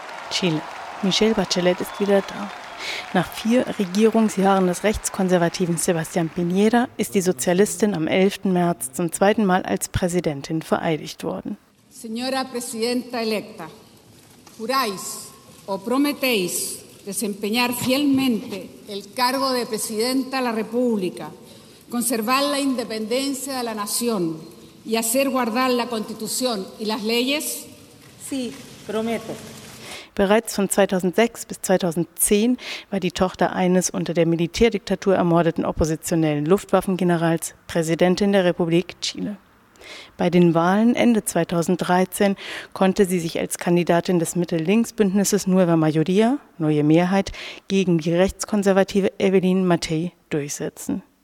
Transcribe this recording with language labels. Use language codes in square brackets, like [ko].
[de] Chile. Michelle Bachelet ist wieder da. Nach 4 Regierungsjahren des rechtskonservativen Sebastián Piñera ist die Sozialistin am 11. März zum zweiten Mal als Präsidentin vereidigt worden. [es] Señora Presidenta electa, juráis o prometéis desempeñar fielmente el cargo de Presidenta de la República, conservar la independencia de la nación y hacer guardar la Constitución y las leyes? Sí, prometo. [de] Bereits von 2006 bis 2010 war die Tochter eines unter der Militärdiktatur ermordeten oppositionellen Luftwaffengenerals Präsidentin der Republik Chile. Bei den Wahlen Ende 2013 konnte sie sich als Kandidatin des Mittel-Links-Bündnisses Nueva Mayoría, Neue Mehrheit, gegen die rechtskonservative Evelyn Matthei durchsetzen.